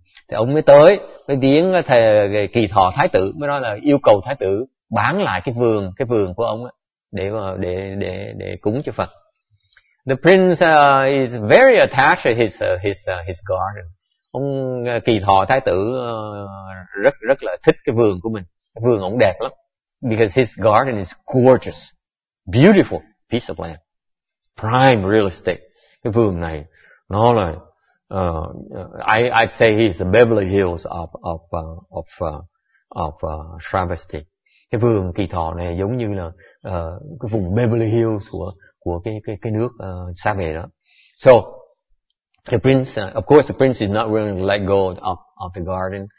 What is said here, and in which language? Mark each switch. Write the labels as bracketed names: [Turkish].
[Vietnamese] Thì ông mới tới, mới viếng thầy Kỳ Thọ Thái tử, mới nói là yêu cầu Thái tử bán lại cái vườn của ông để cúng cho Phật. [English] The prince is very attached to his garden. [Vietnamese] Ông Kỳ Thọ Thái tử rất rất là thích cái vườn của mình. Cái vườn ông đẹp lắm. [English] Because his garden is gorgeous. Beautiful piece of land. Prime real estate. [Vietnamese] Cái vườn này nó là [English] I'd say he's the Beverly Hills of Shravasti. [Vietnamese] Cái vườn Kỳ Thọ này giống như là cái vùng Beverly Hills của cái nước Xá Vệ đó. [English] So the prince, of course, the prince is not willing to let go of the garden.